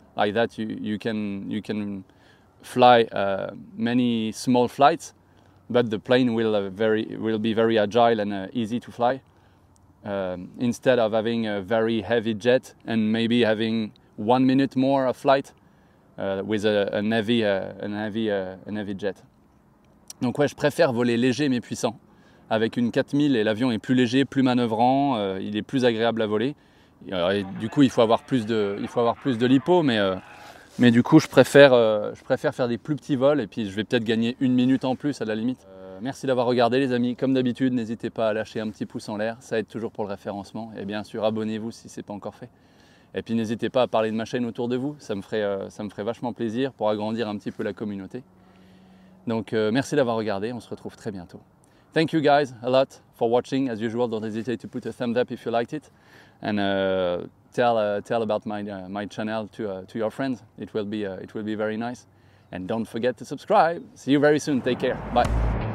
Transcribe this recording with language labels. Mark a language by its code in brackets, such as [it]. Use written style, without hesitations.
[en] Like that, you can fly many small flights, but the plane will be very agile and easy to fly. Instead of having a very heavy jet and maybe having 1 minute more of flight with a heavy jet. [fr] Donc ouais, je préfère voler léger mais puissant. Avec une 4000, et l'avion est plus léger, plus manœuvrant, il est plus agréable à voler. Et du coup, il faut avoir plus de lipo, mais du coup, je préfère faire des plus petits vols et puis je vais peut-être gagner une minute en plus à la limite. Merci d'avoir regardé, les amis. Comme d'habitude, n'hésitez pas à lâcher un petit pouce en l'air, ça aide toujours pour le référencement. Et bien sûr, abonnez-vous si c'est pas encore fait. Et puis n'hésitez pas à parler de ma chaîne autour de vous, ça me ferait vachement plaisir pour agrandir un petit peu la communauté. Donc merci d'avoir regardé, on se retrouve très bientôt. [en] Thank you guys a lot for watching. As usual, don't hesitate to put a thumbs up if you liked it. And tell about my channel to your friends. It will be very nice. And don't forget to subscribe. See you very soon. Take care. Bye.